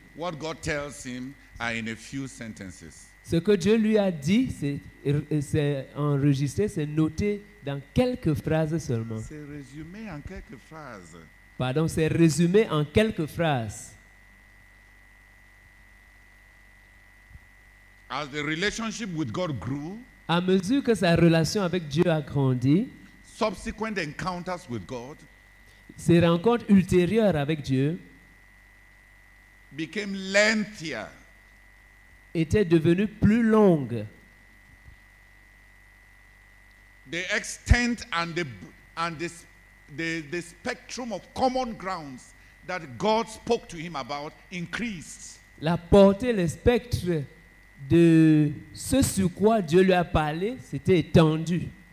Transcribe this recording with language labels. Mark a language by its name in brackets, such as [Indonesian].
[English] what God tells him are in a few sentences. [French] Ce que Dieu lui a dit, c'est enregistré, c'est noté dans quelques phrases seulement. C'est résumé en quelques phrases. Pardon, c'est résumé en quelques phrases. [English] As the relationship with God grew, [French] à mesure que sa relation avec Dieu a grandi, [English] subsequent encounters with God, [French] ses rencontres ultérieures avec Dieu [English] became lengthier, [French] étaient devenues plus longues. [English] The extent and the spectrum of common grounds that God spoke to him about increased. [French] La portée, le spectre de ce sur quoi Dieu lui a parlé s'était étendu.